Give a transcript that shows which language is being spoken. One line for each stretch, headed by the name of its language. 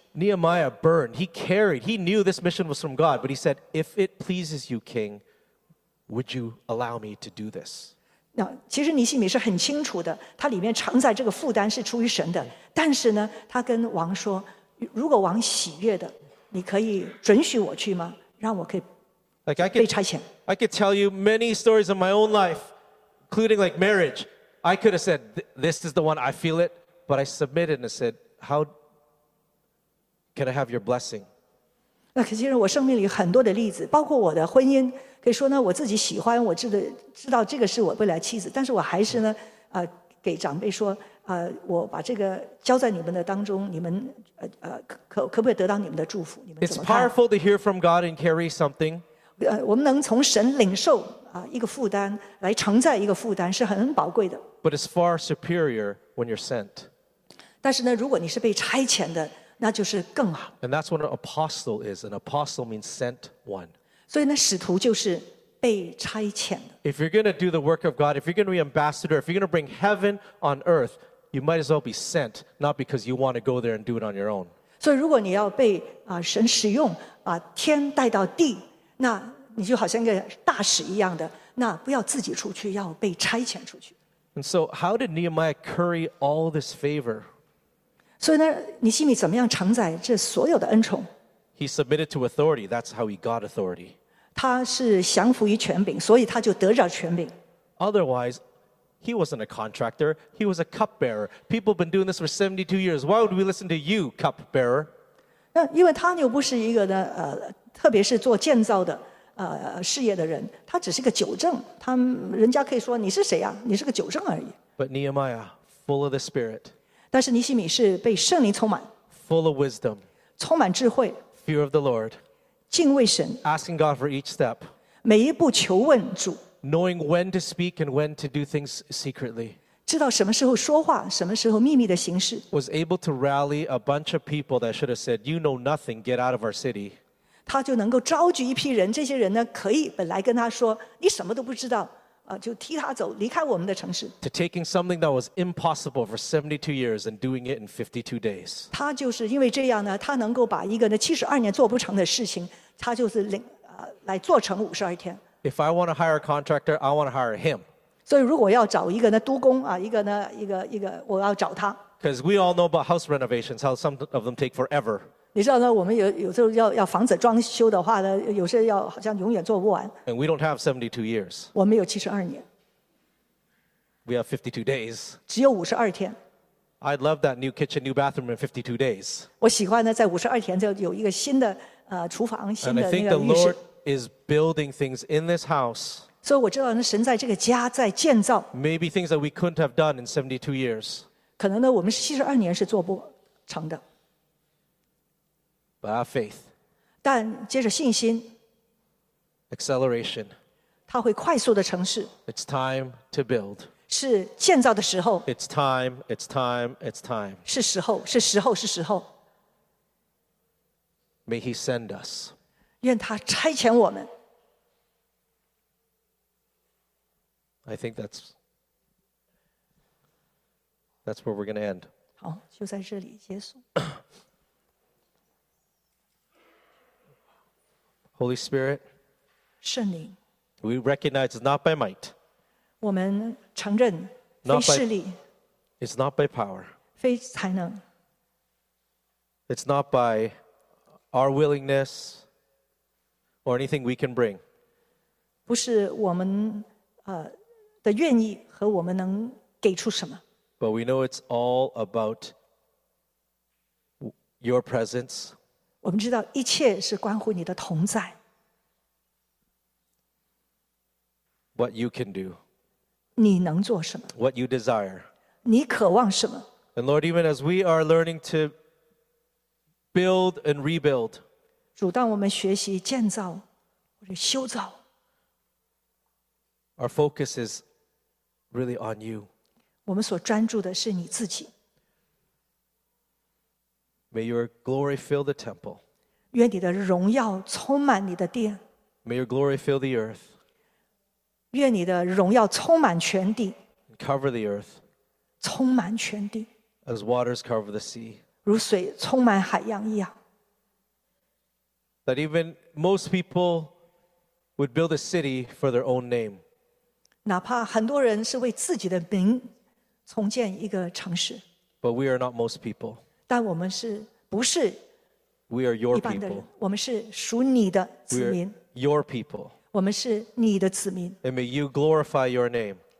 English: Nehemiah burned. He carried. He knew this mission was from God, but he said, "If it pleases you, King, would you allow me to do this?"
Chinese: 那其实尼希米是很清楚的，他里面承载这个负担是出于神的。但是呢，他跟王说，如果王喜悦的，你可以准许我去吗？让我可以被差遣。
English: I could tell you many stories of my own life, including like marriage. I could have said, "This is the one I feel it," but I submitted and said, "How?" Can I have your blessing?
Chinese: 那其实我生命里很多的例子，包括我的婚姻，可以说呢，我自己喜欢，我知道这个是我未来妻子，但是我还是呢，给长辈说，我把这个交在你们的当中，你们可不可以得到你们的祝福？你们怎么看？
English: It's powerful to hear from God and carry something.
Chinese: 我们能从神领受一个负担，来承载一个负担，是很宝贵的。
English: But it's far superior when you're sent.
Chinese: 但是呢，如果你是被差遣的。那就是更好。
English: And that's what an apostle is. An apostle means sent one.
Chinese: 所以呢，使徒就是被差遣的。
English: If you're going to do the work of God, if you're going to be ambassador, if you're going to bring heaven on earth, you might as well be sent, not because you want to go there and do it on your own.
Chinese: 所以如果你要被神使用，把天带到地，那你就好像一个大使一样的，那不要自己出去，要被差遣出去。
English: And so how did Nehemiah curry all this favor?
Chinese: 所以呢，尼希米怎么样承载这所有的恩宠
English: ？He submitted to authority. That's how he got authority.
Chinese: 他是降服于权柄，所以他就得着权柄。
English: Otherwise, he wasn't a contractor. He was a cupbearer. People have been doing this for 72 years. Why would we listen to you, cupbearer?
Chinese: 那因为他又不是一个呢，特别是做建造的事业的人，他只是个酒正。他人家可以说你是谁啊？你是个酒正而已。
English: But Nehemiah, full of the Spirit.
Chinese: 但是尼希米是被圣灵充满
English: ，full of wisdom，
Chinese: 充满智慧
English: ，fear of the Lord，
Chinese: 敬畏神
English: ，asking God for each step，
Chinese: 每一步求问主
English: ，knowing when to speak and when to do things secretly，
Chinese: 知道什么时候说话，什么时候秘密的行事
English: ，was able to rally a bunch of people that should have said you know nothing get out of our city，
Chinese: 他就能够召集一批人，这些人呢可以本来跟他说你什么都不知道。就踢他走，离开我们的城市。
English: To taking something that was impossible for 72 years and doing it in 52 days.
Chinese: 他就是因为这样呢，他能够把一个呢72年做不成的事情，他就是来做成52天。
English: If I want to hire a contractor, I want to hire him.
Chinese: 所以如果要找一个呢督工啊，一个呢一个，我要找他。
English: Because we all know about house renovations, how some of them take forever.
Chinese: 你知道呢，我们有时候要房子装修的话呢，有些要好像永远做不完。
English: And we don't have 72 years.
Chinese: 我们有72年。
English: We have 52 days.
Chinese: 只有52天。
English: I'd love that new kitchen, new bathroom in 52 days.
Chinese: 我喜欢呢，在52天就有一个新的厨房，新的那个浴室。
English: And I think the Lord is building things in this house.
Chinese: 所以我知道呢，神在这个家在建造。
English: Maybe things that we couldn't have done in 72 years.
Chinese: 可能呢，我们72年是做不成的。
English: By faith,
Chinese: 但接着信心
English: acceleration,
Chinese: 它会快速的成事
English: It's time to build,
Chinese: 是建造的时候
English: It's time, it's time, it's time,
Chinese: 是时候，是时候，是时候
English: May he send us,
Chinese: 愿他差遣我们
English: I think that's where we're going to end.
Chinese: 好，就在这里结束
English: Holy Spirit,
Chinese: 圣灵
English: we recognize it's not by might.
Chinese: 我们承认非势力
English: It's not by power.
Chinese: 非才能
English: It's not by our willingness or anything we can bring.
Chinese: 不是我们的愿意和我们能给出什么
English: But we know it's all about your presence.
Chinese: 我们知道一切是关乎你的同在。
English: What you can do.
Chinese: 你能做什么？
English: What you desire.
Chinese: 你渴望什么？
English: And Lord, even as we are learning to build and rebuild.
Chinese: 主，当我们学习建造或者修造。
English: Our focus is really on you.
Chinese: 我们所专注的是你自己。
English: May your glory fill the temple.
Chinese: 愿你的荣耀充满你的殿。
English: May your glory fill the earth.
Chinese: 愿你的荣耀充满全地。
English: Cover the earth.
Chinese: 充满全地。
English: As waters cover the sea.
Chinese: 如水充满海洋一样。
English: That even most people would build a city for their own name.
Chinese: 哪怕很多人是为自己的名重建一个城市。
English: But we are not most people.
Chinese: 但我们是不是一般的人。
English: We are your people.
Chinese: 我们是属你的子民。
English: We are your people.
Chinese: 我们是你的子民。
English: And may you glorify your name.